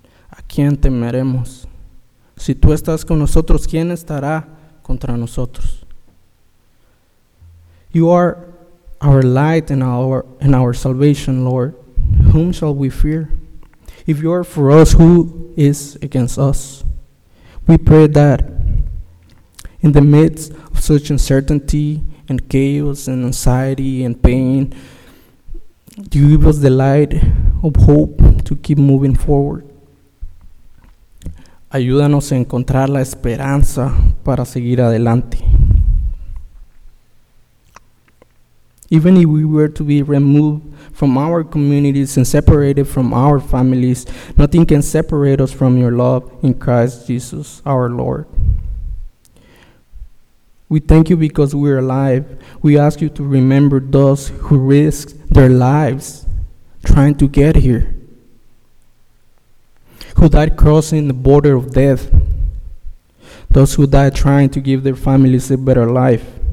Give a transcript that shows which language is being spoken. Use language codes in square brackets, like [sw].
[es] ¿A quién temeremos? Si tú estás con nosotros, ¿quién estará contra nosotros. [en] You are our light and our salvation, Lord. Whom shall we fear? If you are for us, who is against us? We pray that in the midst of such uncertainty and chaos and anxiety and pain, you give us the light of hope to keep moving forward. [es] Ayúdanos a encontrar la esperanza para seguir adelante. [en] Even if we were to be removed from our communities and separated from our families, nothing can separate us from your love in Christ Jesus, our Lord. We thank you because we are alive. We ask you to remember those who risk their lives trying to get here, who died crossing the border of death, those who died trying to give their families a better life.